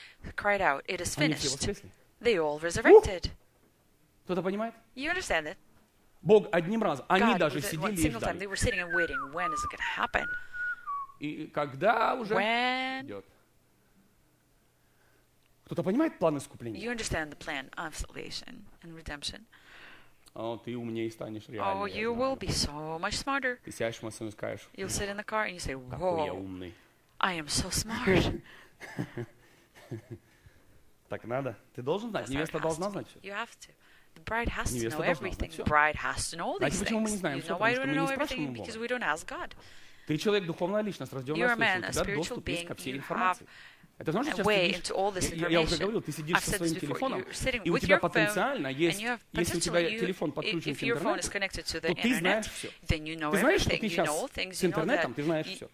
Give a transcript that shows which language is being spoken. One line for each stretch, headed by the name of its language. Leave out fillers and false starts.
English: Jesus cried out, it is finished. They all resurrected.
Russian: Кто-то понимает?
English: You understand it?
Russian: Бог одним разом. Они God, даже сидели и ждали.
English: They were sitting and waiting. When is it going to happen?
Russian: И когда уже
English: when?
Russian: Идет? Кто-то понимает план искупления?
English: You understand the plan of salvation and redemption?
Russian: О, ты умнее станешь реально.
English: Oh, you will be so much smarter.
Russian: Ты сядешь в машину и скажешь.
English: You'll sit in the car and you say, "Whoa,
Russian: какой я умный.
English: I am so smart."
Russian: Так надо. Ты должен знать. Невеста должна знать.
English: You have to. The bride has to know everything. The bride has to know all these things. You know why we don't know everything? Because we don't ask God.
Russian: Ты человек, духовная личность, рождённая свыше. У тебя доступ есть ко всей информации. Это значит, что
English: way into all this information.
Russian: Я уже говорил, ты сидишь со своим телефоном, и у тебя потенциально есть, если у тебя телефон подключен к интернету, то ты знаешь все.
English: Then you know
Russian: ты знаешь, что ты сейчас с интернетом, ты знаешь все.